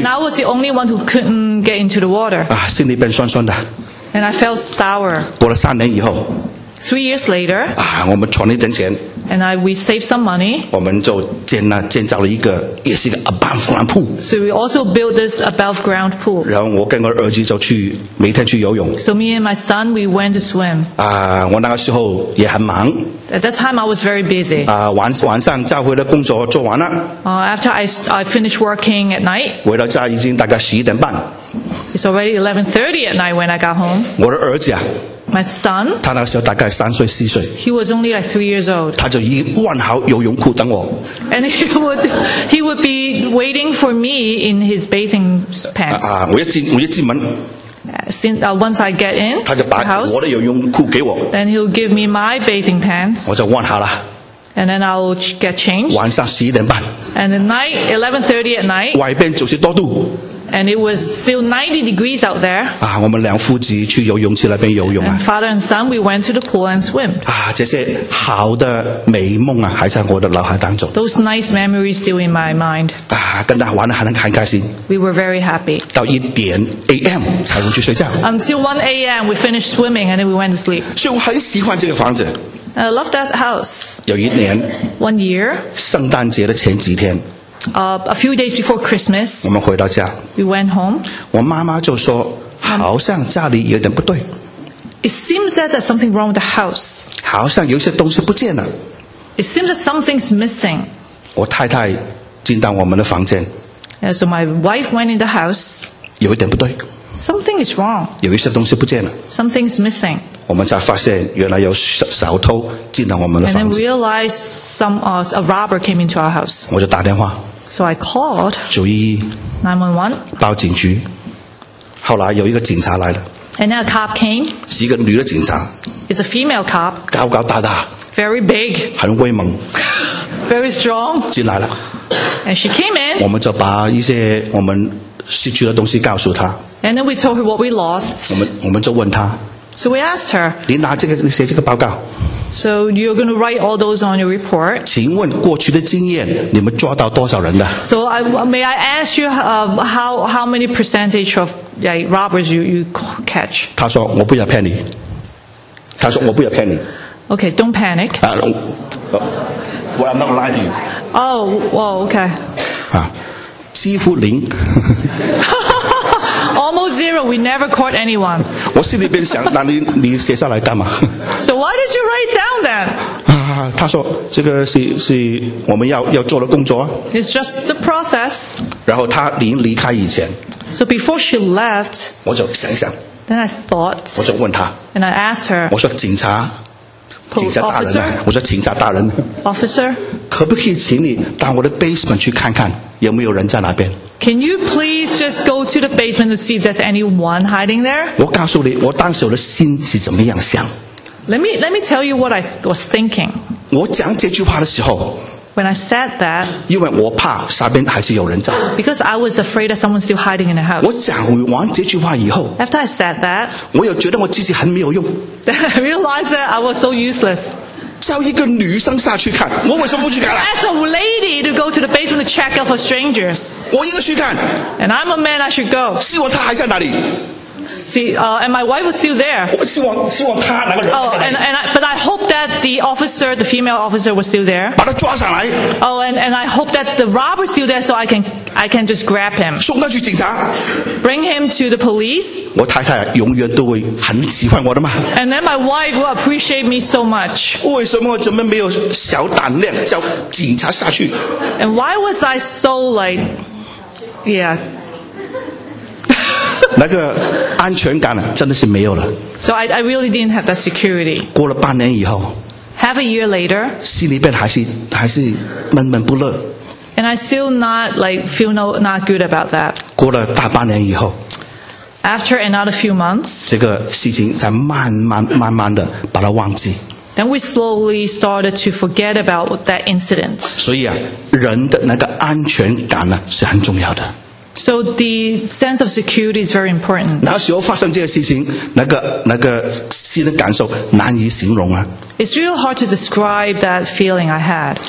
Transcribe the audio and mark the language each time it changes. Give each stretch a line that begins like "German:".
English: And I was the only one who couldn't get into the water.
Chinese: 心里边酸酸的。
English: And I felt sour.
Chinese: 过了三年以后。
English: Three years later.
Chinese: 我们存了一点钱。
English: And we saved some money.
Chinese: 我们就建造了一个，也是一个
English: above ground pool. So we also built this above ground pool.
Chinese: 然后我跟我儿子就去每天去游泳。
English: So me and my son, we went to swim.
Chinese: 我那个时候也很忙。
English: At that time, I was very busy.
Chinese: 晚上教会的工作做完了。
English: After I finished working at night.
Chinese: 回到家已经大概十一点半。
English: It's already 11:30 at night when I got home.
Chinese: 我的儿子啊。
English: My son.
Chinese: 他那时候大概三岁四岁。
English: He was only like 3 years old.
Chinese: 他就一换好游泳裤等我。
English: And he would be waiting for me in his bathing pants.
Chinese: 我一进门。
English: Once I get in.
Chinese: 他就把我的游泳裤给我。
English: Then he'll give me my bathing pants.
Chinese: 我就换好了。
English: And then I'll get changed.
Chinese: 晚上十一点半。
English: And at night, 11:30 at night.
Chinese: 外边九十多度。
English: And it was still 90 degrees out there.
Chinese: 我们两父子去游泳池那边游泳啊。
English: And father and son, we went to the pool and swim.
Chinese: 这些好的美梦啊，还在我的脑海当中。
English: Those nice memories still in my mind.
Chinese: 跟他玩得很开心。
English: We were very happy.
Chinese: 到一点 a.m. 才回去睡觉。
English: Until 1 a.m. we finished swimming and then we went to sleep.
Chinese: 所以我很喜欢这个房子。
English: I love that house.
Chinese: 有一年。
English: One year.
Chinese: 圣诞节的前几天。
English: A few days before Christmas,
Chinese: 我们回到家。
English: We went home.
Chinese: 我妈妈就说，好像家里有点不对。
English: It seems that there's something wrong with the house.
Chinese: 好像有些东西不见了。
English: It seems that something's missing.
Chinese: 我太太进到我们的房间。
English: Yeah, so my wife went in the house.
Chinese: 有一点不对。
English: Something is wrong.
Chinese: 有一些东西不见了。
English: Something's missing.
Chinese: 我们才发现原来有小偷进到我们的房间。
English: And then realized a robber came into our house.
Chinese: 我就打电话。
English: So I called
Chinese: 911. 报警局。后来有一个警察来了。
English: And then a cop came.
Chinese: 是一个女的警察。
English: It's a female cop.
Chinese: 高高大大。
English: Very big.
Chinese: 很威猛。
English: Very strong.
Chinese: 进来了。
English: And she came in.
Chinese: 我们就把一些我们失去的东西告诉她。
English: And then we told her what we lost.
Chinese: 我们就问她。
English: So we asked her.
Chinese: 你拿这个你写这个报告。
English: So you're going to write all those on your report.
Chinese: 请问过去的经验，你们抓到多少人的
English: ？So may I ask you how many percentage of robbers you catch?
Chinese: 他说我不要骗你。他说我不要骗你。
English: Okay, don't panic. Well, I'm not lying to you. Oh, well, okay.
Chinese: 啊，几乎零。
English: Almost zero. We never caught anyone.
Chinese: 我心里边想，那你写下来干嘛
English: ？So why did you write down that?
Chinese: 他说这个是我们要做的工作。
English: It's just the process.
Chinese: 然后他临离开以前。
English: So before she left.
Chinese: 我就想一想。
English: Then I thought.
Chinese: 我就问他。
English: And I asked her.
Chinese: 我说警察，警察大人呢、啊？我说警察大人。
English: Officer.
Chinese: 可不可以请你到我的 basement 去看看，有没有人在那边？
English: Can you please just go to the basement to see if there's anyone hiding there?
Chinese: 我告诉你，我当时我的心是怎么样想。
English: Let me tell you what I was thinking.
Chinese: 我讲这句话的时候。
English: When I said that.
Chinese: 因为我怕下边还是有人在。
English: Because I was afraid that someone's still hiding in the house.
Chinese: 我讲完这句话以后。
English: After I said that.
Chinese: 我又觉得我自己很没有用。
English: Then I realized that I was so useless.
Chinese: 叫一个女生下去看，我为什么不去看了
English: ？As a lady to go to the basement to check out for strangers，
Chinese: 我应该去看。
English: And I'm a man, I should go。
Chinese: 希望他还在那里。
English: And my wife was still there。
Chinese: 我希望他那个人。
English: But I hope that the officer, the female officer, was still there。
Chinese: 把他抓上来。
English: And I hope that the robber's still there, so I can just grab him。
Chinese: 送他去警察。
English: Bring him to the police。
Chinese: 我太太永远都会很喜欢我的嘛。
English: And then my wife will appreciate me so much。
Chinese: 为什么怎么没有小胆量叫警察下去
English: ？And why was I so like, yeah？
Chinese: 那个安全感了，真的是没有了。
English: So I really didn't have that security.
Chinese: 过了半年以后
English: ，Half a year later，
Chinese: 心里边还是闷闷不乐。
English: And I still not good about that.
Chinese: 过了大半年以后
English: ，After another few months，
Chinese: 这个事情才慢慢的把它忘记。
English: Then we slowly started to forget about that incident.
Chinese: 所以啊，人的那个安全感呢是很重要的。
English: So the sense of security is very important.
Chinese: 那时候发生这个事情，那个心的感受难以形容啊。
English: It's really hard to describe that feeling I had.